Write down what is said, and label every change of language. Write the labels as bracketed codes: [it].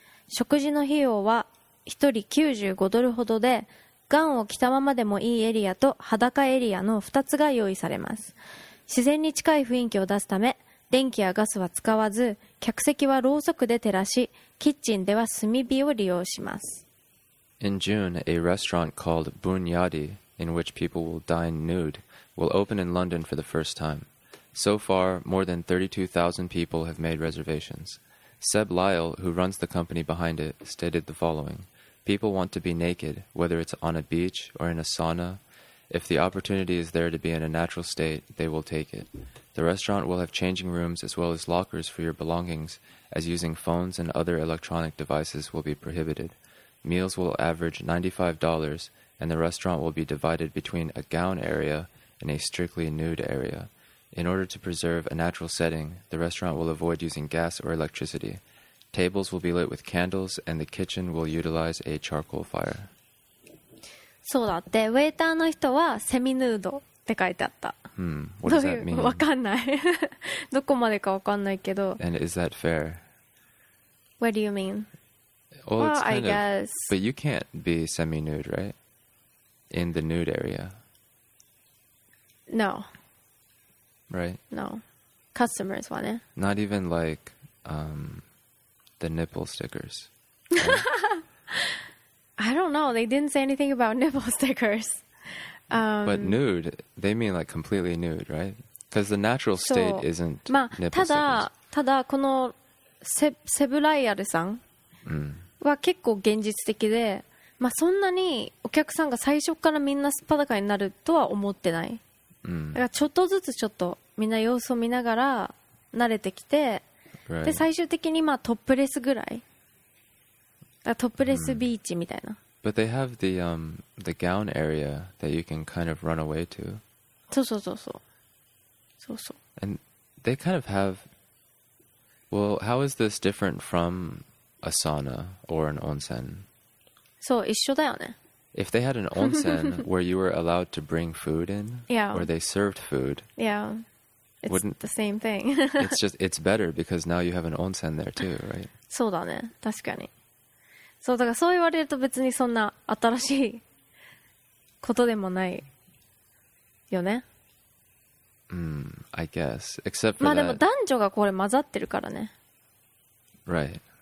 [ja] 食事の費用は1人95ドルほどで、ガウンを着たままでもいいエリアと裸エリアの2つが用意されます。自然に近い雰囲気を出すため、電気やガスは使わず、客席はろうそくで照らし、キッチンでは炭火を利用します。 [en] In June, a restaurant called Bun Yadi, in which people will dine nude, will open in London for the first time. So far, more than 32,000 people have made reservations. Seb Lyle, who runs the company behind it, stated the following. People want to be naked, whether it's on a beach or in a sauna. If the opportunity is there to be in a natural state, they will take it. The restaurant will have changing rooms as well as lockers for your belongings, as using phones and other electronic devices will be prohibited. Meals will average $95, and the restaurant will be divided between a gown area and a strictly nude area. In order to preserve a natural setting, the restaurant will avoid using gas or electricity. Tables will be lit with candles and the kitchen will utilize a charcoal fire. [ja] そうだって、ウェイターの人はセミヌードって書いてあった。 [en] What does that mean? [ja] わかんない。どこまでかわかんないけど。 [en] And is that fair? What do you mean? Well, it's kind of, I guess. But you can't be semi-nude, right? In the nude area. No. Right? No. Customers want it. Not even like, The nipple stickers. I don't know. They didn't say anything about nipple stickers. But nude, they mean like completely nude, right? Because the natural state isn't nipple stickers. [ja] ただ、ただこのセブライアルさんは結構現実的で、まあそんなにお客さんが最初からみんな素っ裸になるとは思ってない。だからちょっとずつちょっとみんな様子を見ながら慣れてきて、 [en] Right. [ja] で最終的にまあトップレスぐらい、だからトップレスビーチみたいな。 [en] But they have the gown area that you can kind of run away to. [ja] そうそうそうそう。そうそう。 [en] And they kind of have. Well, how is this different from a sauna or an onsen? [ja] そう、一緒だよね。 [en] If they had an onsen where you were allowed to bring food in, yeah, or they served food, yeah. It's Wouldn't, the same thing. it's just, it's better because now you have an onsen there too, right? [ja] そうだね、確かに。そう、だからそう言われると別にそんな新しいことでもないよね。 [en] I guess. Except for [ja] まあでも男女がこれ混ざってるからね。 [en] Right.